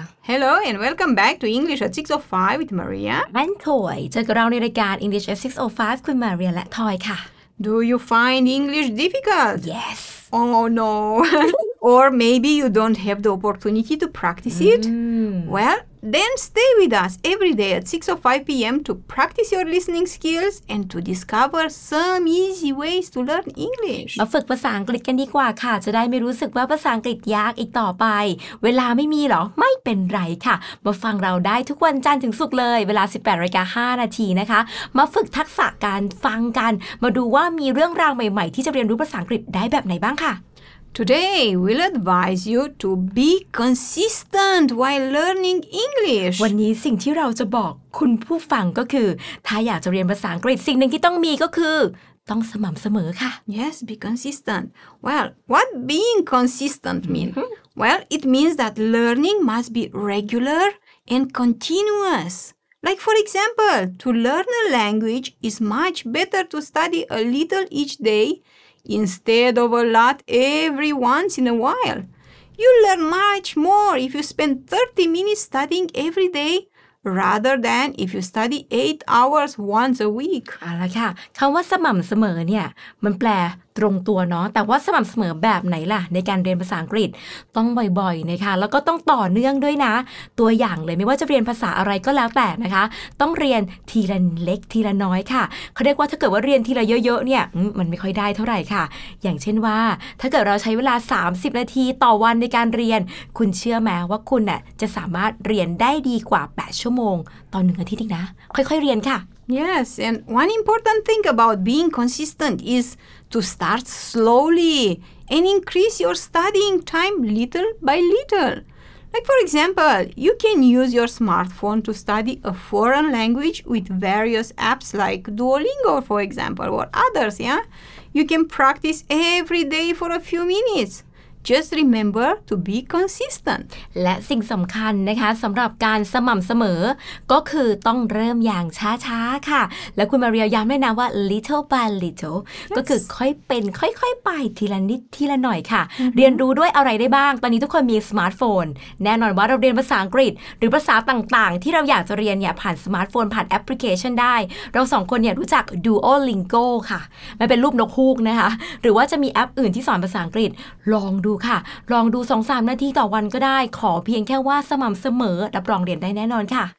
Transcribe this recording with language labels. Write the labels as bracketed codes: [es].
[en] Hello and welcome back to English at 6:05 with Maria and Toy. [th] เจอกับเราในรายการ English at 6:05 คุณ Maria และ Toy ค่ะ [en] Do you find English difficult? Yes. Oh no. Or maybe you don't have the opportunity to practice it? Well,Then stay with us every day at 6:05 p.m. to practice your listening skills and to discover some easy ways to learn English. [th] มาฝึกภาษาอังกฤษกันดีกว่าค่ะจะได้ไม่รู้สึกว่าภาษาอังกฤษยากอีกต่อไปเวลาไม่มีหรอไม่เป็นไรค่ะมาฟังเราได้ทุกวันจันทร์ถึงศุกร์เลยเวลา 18:05 นะคะมาฝึกทักษะการฟังกันมาดูว่ามีเรื่องราวใหม่ๆที่จะเรียนรู้ภาษาอังกฤษได้แบบไหนบ้างค่ะ [en] Today, we'll advise you to be consistent while learning English. [th] วันนี้สิ่งที่เราจะบอกคุณผู้ฟังก็คือถ้าอยากจะเรียนภาษาอังกฤษสิ่งหนึ่งที่ต้องมีก็คือต้องสม่ำเสมอค่ะ [en] Yes, be consistent. Well, what being consistent mean? Well, it means that learning must be regular and continuous. Like, for example, to learn a language is much better to study a little each dayInstead of a lot every once in a while, you learn much more if you spend 30 minutes studying every day rather than if you study 8 hours once a week. [th] เอาละค่ะคำว่าสม่ำเสมอเนี่ยมันแปลตรงตัวเนาะแต่ว่าสม่ำเสมอแบบไหนล่ะในการเรียนภาษาอังกฤษต้องบ่อยๆนะคะแล้วก็ต้องต่อเนื่องด้วยนะตัวอย่างเลยไม่ว่าจะเรียนภาษาอะไรก็แล้วแต่นะคะต้องเรียนทีละเล็กทีละน้อยค่ะเขาเรียกว่าถ้าเกิดว่าเรียนทีละเยอะๆเนี่ยมันไม่ค่อยได้เท่าไหร่ค่ะอย่างเช่นว่าถ้าเกิดเราใช้เวลา30นาทีต่อวันในการเรียนคุณเชื่อไหมว่าคุณน่ะจะสามารถเรียนได้ดีกว่า8ชั่วโมงต่อ1อาทิตย์นึงนะค่อยๆเรียนค่ะ [en] Yes, and one important thing about being consistent is to start slowly and increase your studying time little by little. Like, for example, you can use your smartphone to study a foreign language with various apps like Duolingo, for example, or others, yeah? You can practice every day for a few minutes. Just remember to be consistent. [th] และสิ่งสำคัญนะคะสำหรับการสม่ำเสมอก็คือต้องเริ่มอย่างช้าๆค่ะและคุณมาเรียย้ำด้วยนะว่า [en] little by little [th] yes. ก็คือค่อยเป็นค่อยๆไปทีละนิดทีละหน่อยค่ะ mm-hmm. เรียนรู้ด้วยอะไรได้บ้างตอนนี้ทุกคนมีสมาร์ทโฟนแน่นอนว่าเราเรียนภาษาอังกฤษหรือภาษาต่างๆที่เราอยากจะเรียนเนี่ยผ่านสมาร์ทโฟนผ่านแอปพลิเคชันได้เราสองคนเนี่ยรู้จัก Duolingo ค่ะมันเป็นรูปนกฮูกนะคะหรือว่าจะมีแอปอื่นที่สอนภาษาอังกฤษลองดูค่ะลองดู 2-3 นาทีต่อวันก็ได้ขอเพียงแค่ว่าสม่ำเสมอรับรองเรียนได้แน่นอนค่ะ